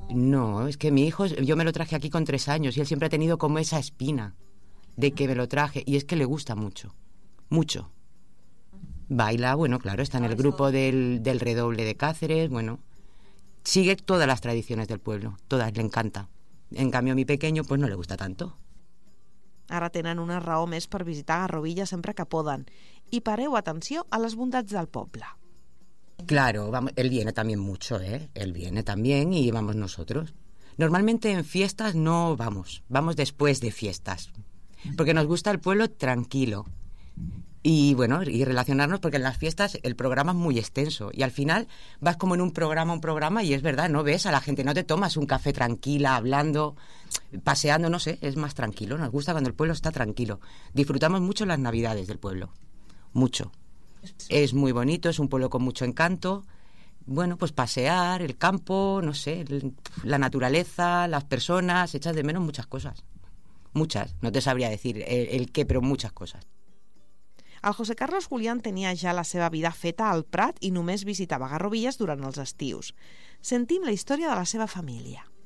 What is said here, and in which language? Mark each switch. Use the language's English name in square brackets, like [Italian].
[Spanish] No, es que mi hijo, yo me lo traje aquí con 3 años y él siempre ha tenido como esa espina de que me lo traje y es que le gusta mucho, mucho. Baila, bueno, claro, está en el grupo del Redoble de Cáceres, bueno. Sigue todas las tradiciones del pueblo, todas, le encanta. En cambio, a mi pequeño, pues no le gusta tanto. [Catalan] Ara tenen una raó més per visitar Garrovilles sempre que poden. I pareu atenció a les bondats del poble. [Spanish] Claro, vamos, él viene también mucho, ¿eh? Él viene también y vamos nosotros. Normalmente en fiestas no vamos, vamos después de fiestas. Porque nos gusta el pueblo tranquilo. Y bueno, y relacionarnos, porque en las fiestas el programa es muy extenso y al final vas como en un programa y es verdad, no ves a la gente, no te tomas un café tranquila, hablando, paseando, no sé, es más tranquilo, nos gusta cuando el pueblo está tranquilo. Disfrutamos mucho las Navidades del pueblo, mucho. Es muy bonito, es un pueblo con mucho encanto, bueno, pues pasear, el campo, no sé, la naturaleza, las personas, echas de menos muchas cosas, muchas, no te sabría decir el qué, pero muchas cosas. [Catalan] El José Carlos Julián tenia ja la seva vida feta al Prat i només visitava Garrovilles durant els estius. Sentim la història de la seva família.